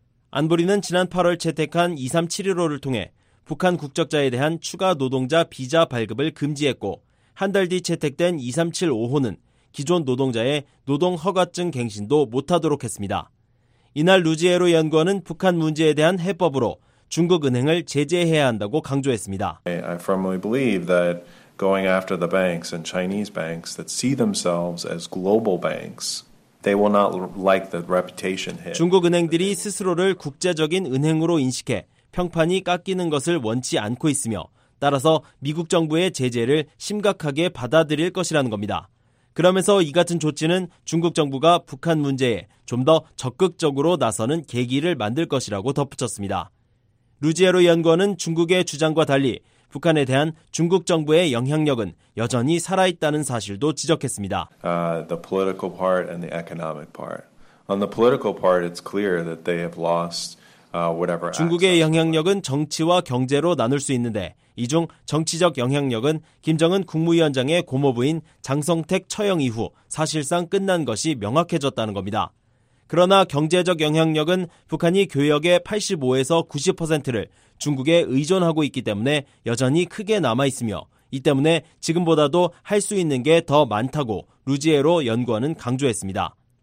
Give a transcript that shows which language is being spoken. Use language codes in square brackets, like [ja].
[ko] 안보리는 지난 8월 채택한 2371호를 통해 북한 국적자에 대한 추가 노동자 비자 발급을 금지했고 한 달 뒤 채택된 2375호는 기존 노동자의 노동 허가증 갱신도 못하도록 했습니다. 이날 루지에로 연구원은 북한 문제에 대한 해법으로 중국 은행을 제재해야 한다고 강조했습니다. [en] I firmly believe that going after the banks and Chinese banks that see themselves as global banks, they will not like the reputation hit. [ko] 중국 은행들이 스스로를 국제적인 은행으로 인식해 평판이 깎이는 것을 원치 않고 있으며 따라서 미국 정부의 제재를 심각하게 받아들일 것이라는 겁니다. 그러면서 이 같은 조치는 중국 정부가 북한 문제에 좀 더 적극적으로 나서는 계기를 만들 것이라고 덧붙였습니다. 루지에로 연구원은 중국의 주장과 달리 북한에 대한 중국 정부의 영향력은 여전히 살아있다는 사실도 지적했습니다. [en] The political part and the economic part. On the political part, it's clear that they have lost whatever. [ko] 중국의 영향력은 정치와 경제로 나눌 수 있는데 이 중 정치적 영향력은 김정은 국무위원장의 고모부인 장성택 처형 이후 사실상 끝난 것이 명확해졌다는 겁니다. 그러나 경제적 영향력은 북한이 교역의 85에서 90%를 중국에 의존하고 있기 때문에 여전히 크게 남아있으며 이 때문에 지금보다도 할 수 있는 게 더 많다고 루지에로 연구원은 강조했습니다.